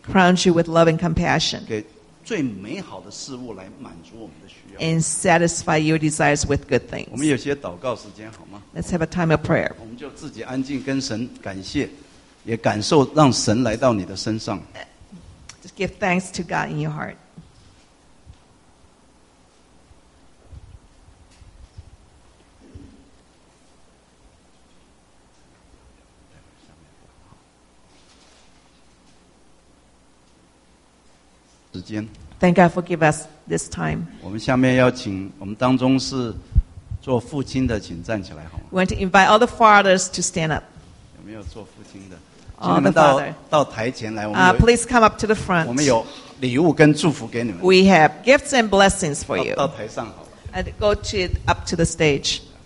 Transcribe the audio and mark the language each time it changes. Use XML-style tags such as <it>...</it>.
<en>Crown you with love and compassion</en> <zh>给最美好的事物来满足我们的需要</zh> <en>And satisfy your desires with good things</en> <zh>我们有些祷告时间好吗</zh> <en>Let's have a time of prayer</en> <zh>我们就自己安静跟神感谢也感受让神来到你的身上</zh> <en>Just give thanks to God in your heart Thank God for giving us this time.</en> <zh>我们下面要请我们当中是做父亲的，请站起来好吗</zh> <en>？We want to invite all the fathers to stand up.</en> <zh>有没有做父亲的？请你们到台前来。</zh> <en>Please come up to the front.</en> <zh>我们有礼物跟祝福给你们。</zh> <en>We have gifts and blessings for you.</en> <zh>到台上好了。</zh> <en>And go to up to the stage.</en>